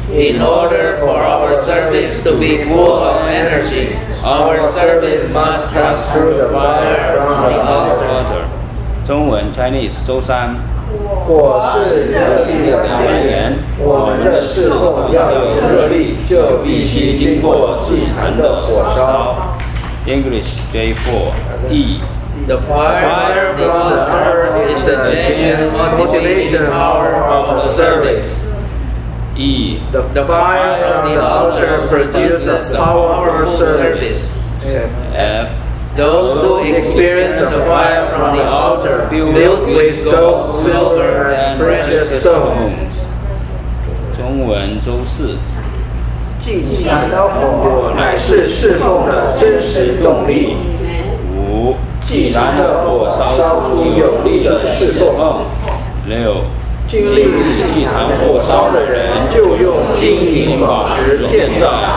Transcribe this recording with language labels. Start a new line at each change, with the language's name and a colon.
English: In order for our service to be full of energy, our service must pass through the fire from the altar.
Chinese: 中文 Chinese 周三。火是热力的来源，我们的侍奉要有热力，就必须经过祭坛的火烧。
English: English day four. D. The fire from the altar is the genuine motivation power of the service. E. The fire from the altar produces powerful service. F. Those who experience the fire from the altar built with gold, silver, and precious stones.
Chinese: 中文周四祭坛的火乃是侍奉的真实动力。五，祭坛的火烧出有力的侍奉。六，经历祭坛火烧的人就用金银宝石建造。